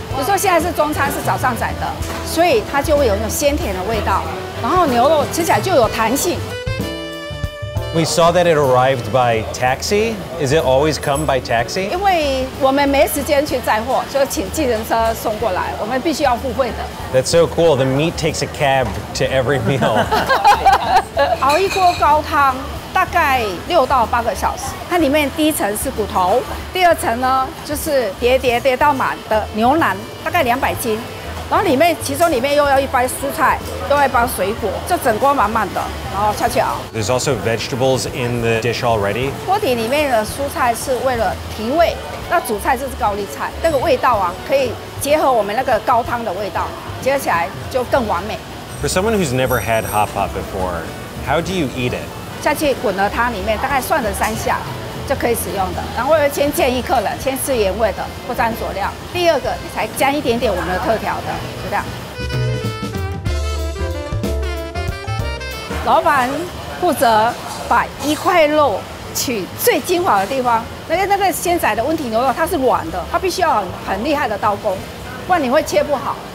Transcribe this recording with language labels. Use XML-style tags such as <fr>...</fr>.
<zh>比如说现在是中餐，是早上宰的，所以它就会有那种鲜甜的味道，然后牛肉吃起来就有弹性。</zh> <en>We saw that it arrived by taxi. Is it always come by taxi?</en> <zh>因为我们没时间去载货，就请计程车送过来。我们必须要付费的。</zh> <en>That's so cool. The meat takes a cab to every meal.</en> <zh>熬一锅高汤大概6到8个小时。它里面第一层是骨头，第二层呢就是叠到满的牛腩，大概200斤。然后里面，其中里面又要一包蔬菜，又要一包水果，就整锅满满的，然后下去熬。</zh> <en>There's also vegetables in the dish already.</en> <zh>锅底里面的蔬菜是为了提味，那主菜就是高丽菜，那个味道啊，可以结合我们那个高汤的味道，结合起来就更完美。</zh> <en>For someone who's never had hot pot before, how do you eat it?</en> <zh>下去滚了汤里面，大概涮了3下。就可以使用的，然后我会先建议客人先试原味的，不沾佐料。第二个才加一点点我们的特调的，就这样。老板负责把一块肉取最精华的地方，那个鲜宰的温体牛肉它是软的，它必须要很厉害的刀工，不然你会切不好。</zh>